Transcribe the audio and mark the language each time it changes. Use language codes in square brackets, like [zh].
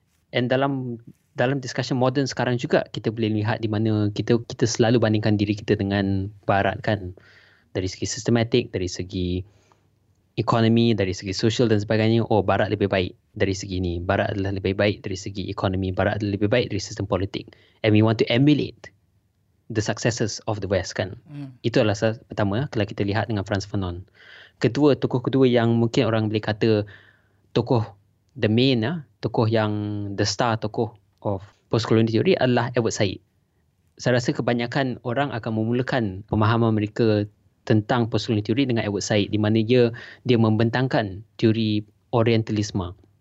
[ms] And dalam discussion modern sekarang juga, kita boleh lihat di mana kita selalu bandingkan diri kita dengan barat, kan. Dari segi sistematik, dari segi ekonomi, dari segi social dan sebagainya, oh, barat lebih baik dari segi ini. Barat adalah lebih baik dari segi ekonomi. Barat adalah lebih baik dari sistem politik. [en] And we want to emulate the successes of the West, kan. [ms] Itu adalah pertama kalau kita lihat dengan Frantz Fanon. Kedua, tokoh kedua yang mungkin orang boleh kata tokoh [en] the main, [ms] tokoh yang [en] the star [ms] tokoh of post-colonial theory adalah Edward Said. Saya rasa kebanyakan orang akan memulakan pemahaman mereka tentang post-colonial theory dengan Edward Said, di mana dia membentangkan teori orientalisme.